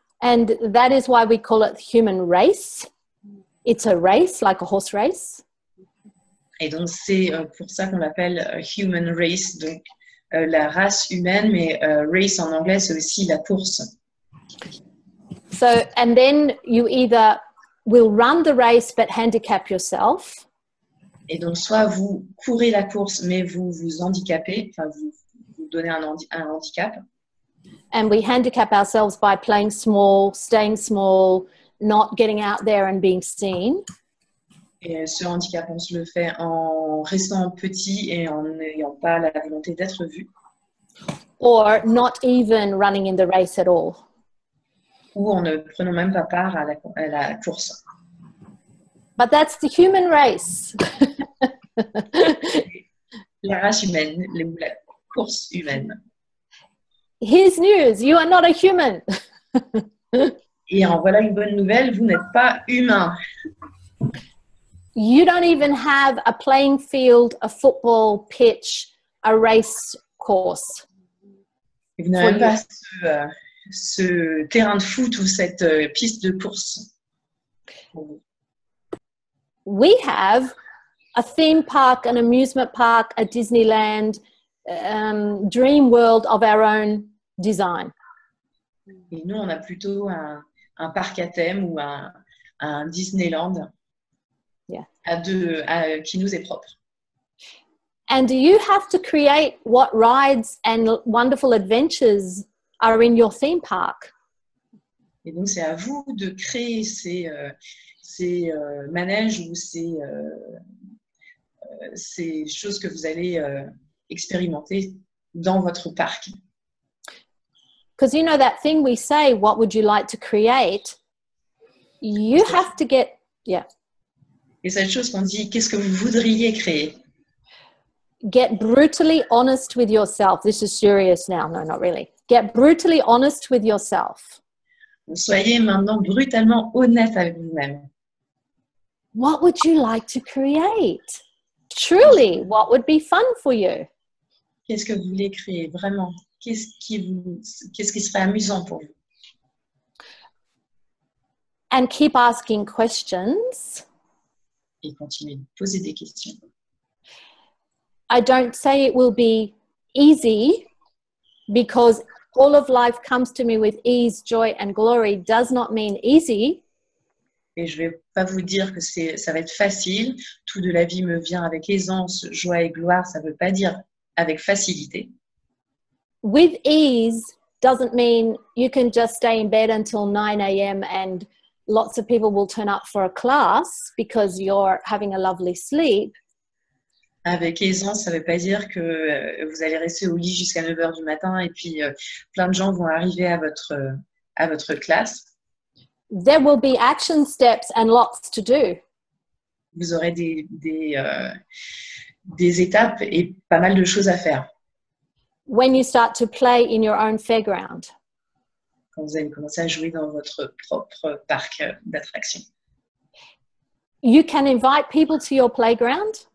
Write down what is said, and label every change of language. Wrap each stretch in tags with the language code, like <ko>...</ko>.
<en>And that is why we call it human race. It's a race, like a horse race.</en> <fr>Et donc c'est pour ça qu'on l'appelle human race, donc la race humaine, mais race en anglais c'est aussi la course.</fr> <en>So, and then you either will run the race but handicap yourself.</en> <fr>Et donc soit vous courez la course mais vous vous handicapez, enfin vous donnez un handicap.</fr> <en>And we handicap ourselves by playing small, staying small, not getting out there and being seen.</en> <fr>Et ce handicap, on se le fait en restant petit et en n'ayant pas la volonté d'être vu.</fr> <en>Or not even running in the race at all.</en> <fr>Ou en ne prenant même pas part à la course.</fr> <en>But that's the human race.</en> <fr>La race humaine, la course humaine.</fr> <en>Here's news, you are not a human.</en> <fr>Et en voilà une bonne nouvelle, vous n'êtes pas humain.</fr> <en>You don't even have a playing field, a football pitch, a race course.</en> <fr>Vous n'avez pas ce terrain de foot ou cette piste de course.</fr> <en>We have a theme park, an amusement park, a Disneyland, dream world of our own design.</en> <fr>Et nous, on a plutôt un parc à thème ou un Disneyland yeah. à deux, à, qui nous est propre.</fr> <en>And do you have to create what rides and wonderful adventures are in your theme park?</en> <fr>Et donc, c'est à vous de créer ces, ces manèges ou ces, ces choses que vous allez expérimenter dans votre parc.</fr> <en>Because you know that thing we say, what would you like to create? You have to get, yeah.</en> <fr>Et cette chose qu'on dit, qu'est-ce que vous voudriez créer?</fr> <en>Get brutally honest with yourself. This is serious now. No, not really. Get brutally honest with yourself.</en> <fr>Soyez maintenant brutalement honnête avec vous-même.</fr> <en>What would you like to create? Truly, what would be fun for you?</en> <fr>Qu'est-ce que vous voulez créer vraiment? Qu'est-ce qui serait amusant pour vous?</fr> <en>And keep asking questions.</en> <fr>Et continuez de poser des questions.</fr> <en>I don't say it will be easy because all of life comes to me with ease, joy and glory does not mean easy.</en> <fr>Et je vais pas vous dire que c'est, ça va être facile. Tout de la vie me vient avec aisance, joie et gloire, ça veut pas dire avec facilité.</fr> <en>With ease doesn't mean you can just stay in bed until 9 a.m. and lots of people will turn up for a class because you're having a lovely sleep.</en> <fr>Avec aisance, ça ne veut pas dire que vous allez rester au lit jusqu'à 9h du matin et puis plein de gens vont arriver à votre classe.</fr> <en>There will be action steps and lots to do.</en> <fr>Vous aurez des étapes et pas mal de choses à faire.</fr> <en>When you start to play in your own fairground.</en> <fr>Quand vous allez commencer à jouer dans votre propre parc d'attractions.</fr> <en>You can invite people to your playground.</en>